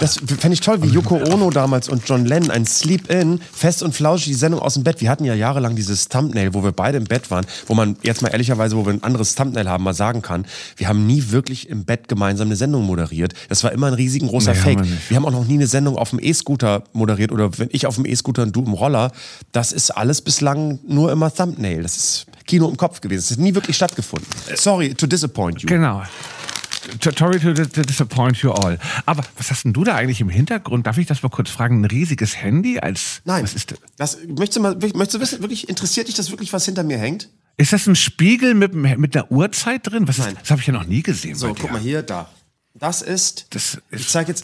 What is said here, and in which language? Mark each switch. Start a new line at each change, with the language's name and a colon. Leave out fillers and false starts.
German: Das fände ich toll, wie Yoko Ono damals und John Lennon ein Sleep-In, fest und flauschig die Sendung aus dem Bett. Wir hatten ja jahrelang dieses Thumbnail, wo wir beide im Bett waren, wo man jetzt mal ehrlicherweise, wo wir ein anderes Thumbnail haben, mal sagen kann, wir haben nie wirklich im Bett gemeinsam eine Sendung moderiert. Das war immer ein riesengroßer Fake. Wir haben auch noch nie eine Sendung auf dem E-Scooter moderiert oder wenn ich auf dem E-Scooter und du im Roller. Das ist alles bislang nur immer Thumbnail. Das ist Kino im Kopf gewesen. Es hat nie wirklich stattgefunden.
English: Sorry to disappoint you.
German: Genau.
English: Sorry to disappoint you all.
German: Aber was hast denn du da eigentlich im Hintergrund? Darf ich das mal kurz fragen? Ein riesiges Handy als... Nein. Was ist das? Möchtest du wissen, wirklich, interessiert dich das wirklich, was hinter mir hängt? Ist das ein Spiegel mit einer Uhrzeit drin? Was Nein. Ist, das habe ich ja noch nie gesehen. So, guck mal hier, da. Das ist... Ich zeig jetzt...